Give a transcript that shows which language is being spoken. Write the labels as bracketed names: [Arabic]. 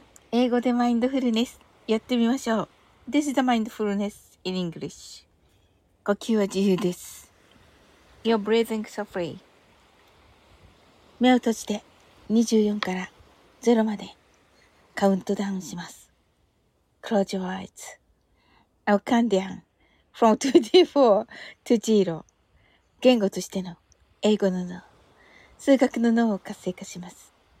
[Japanese] 英語でマインドフルネスやってみましょう。 [English] This is the mindfulness in English. [Japanese] 呼吸は自由です。 [English] You're breathing so free. [Japanese] 目を閉じて24から0までカウントダウンします。 [English] Close your eyes. I'll count down from 24 to 0. [Japanese] 言語としての英語の脳。数学の脳を活性化します。